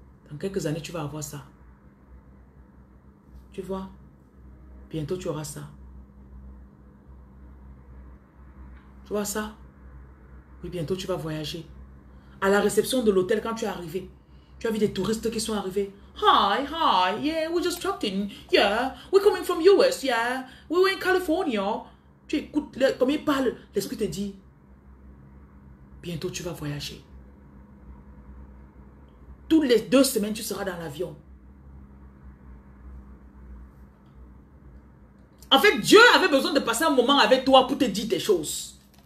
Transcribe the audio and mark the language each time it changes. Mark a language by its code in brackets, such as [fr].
[fr] Dans quelques années, tu vas avoir ça. Tu vois? Bientôt, tu auras ça. Tu vois ça? Oui, bientôt, tu vas voyager. À la réception de l'hôtel, quand tu es arrivé, tu as vu des touristes qui sont arrivés. [en] Hi, hi, yeah, we just dropped in. Yeah, we're coming from US, yeah. We were in California. [fr] Tu écoutes, comme ils parlent, l'Esprit te dit, bientôt, tu vas voyager. Toutes les 2 semaines, tu seras dans l'avion. En fait, Dieu avait besoin de passer un moment avec toi pour te dire des choses.